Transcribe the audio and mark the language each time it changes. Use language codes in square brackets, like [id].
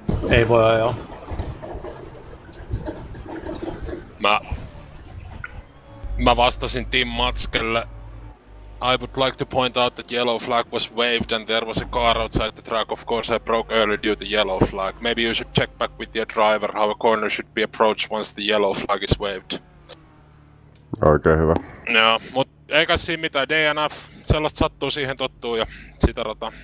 [fi] Ei voi ajaa. Mä vastasin Tim Matskelle. [en] I would like to point out that yellow flag was waved and there was a car outside the track. Of course, I broke early due to yellow flag. Maybe you should check back with your driver how a corner should be approached once the yellow flag is waved. [fi] Oikein hyvä. Joo, mut eikä siinä mitään. DNF, sellaista sattuu, siihen tottuu ja sitä rataa.